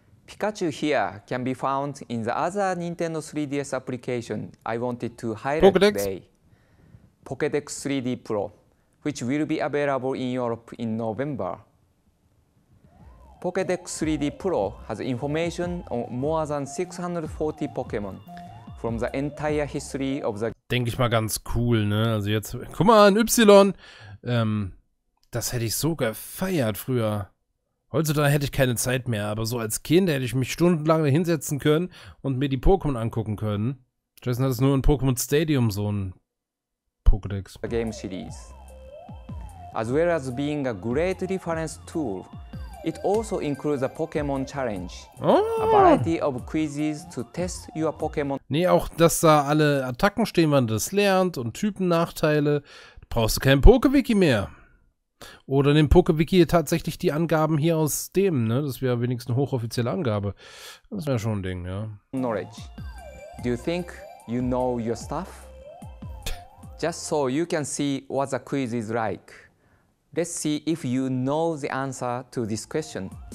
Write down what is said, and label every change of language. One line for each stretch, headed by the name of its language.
English: Pikachu here can be found in the other Nintendo 3DS application I wanted to highlight Pokédex. Today. Pokédex 3D Pro, which will be available in Europe in November. Pokédex 3D Pro has information on more than 640 Pokémon from the entire history of the...
German: Denke ich mal ganz cool, ne? Also jetzt, guck mal an, Y! Das hätte ich so gefeiert früher. Heutzutage hätte ich keine Zeit mehr, aber so als Kind hätte ich mich stundenlang hinsetzen können und mir die Pokémon angucken können. Stattdessen hat es nur in Pokémon Stadium so ein Pokédex.
English: ...the game series. As well as being a great reference tool, it also includes a Pokémon Challenge. Oh. A variety of quizzes to test your Pokémon.
German: Nee, auch, dass da alle Attacken stehen, wann du das lernt und Typennachteile. Du brauchst du kein Poké-Wiki mehr. Oder nimm Poké-Wiki tatsächlich die Angaben hier aus dem, ne? Das wäre wenigstens eine hochoffizielle Angabe. Das wäre schon ein Ding, ja.
English: Knowledge. Do you think you know your stuff? Just so you can see what the quiz is like. Let's see if you know the answer to this question.